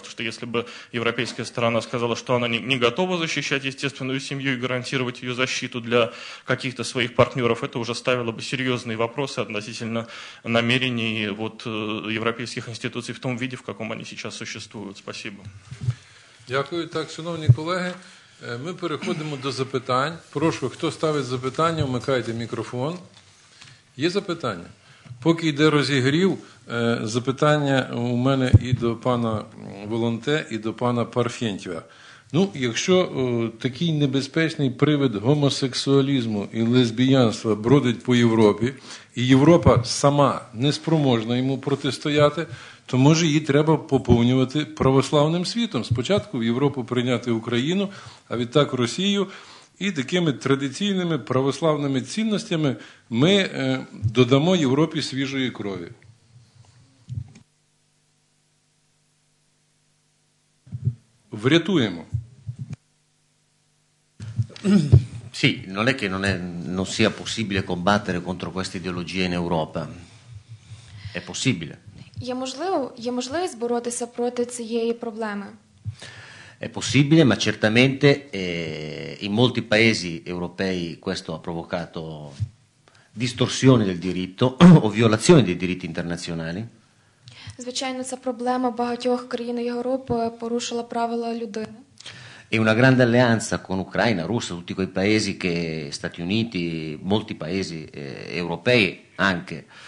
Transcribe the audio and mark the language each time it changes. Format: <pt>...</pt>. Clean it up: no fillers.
<ru>Потому что если бы европейская сторона сказала, что она не готова защищать естественную семью и гарантировать ее защиту для каких-то своих партнеров, это уже ставило бы серьезные вопросы относительно намерений вот европейских институций в том виде, в каком они сейчас существуют. Спасибо.</ru> <uk>Дякую. Так, шановні колеги, ми переходимо до запитань. Прошу, хто ставить запитання, вмикайте мікрофон. Є запитання? Поки йде розігрів, запитання у мене і до пана Волонте, і до пана Парфєнтєва. Ну, якщо такий небезпечний привид гомосексуалізму і лесбіянства бродить по Європі, і Європа сама не спроможна йому протистояти, то, може, її треба поповнювати православним світом. Спочатку в Європу прийняти Україну, а відтак Росію – і такими традиційними православними цінностями ми додамо Європі свіжої крові. Врятуємо.</uk> <it>Sì, non è che non sia possibile combattere contro questa ideologia in Europa. È possibile.</it> <uk>Є можливість боротися проти цієї проблеми.</uk> <it>È possibile, ma certamente in molti paesi europei questo ha provocato distorsioni del diritto o violazioni dei diritti internazionali.</it> <uk>Звичайно, ця проблема багатьох країн Європи порушила правила людини.</uk> <it>È una grande alleanza con Ucraina, Russia, tutti quei paesi che Stati Uniti, molti paesi europei anche.</it>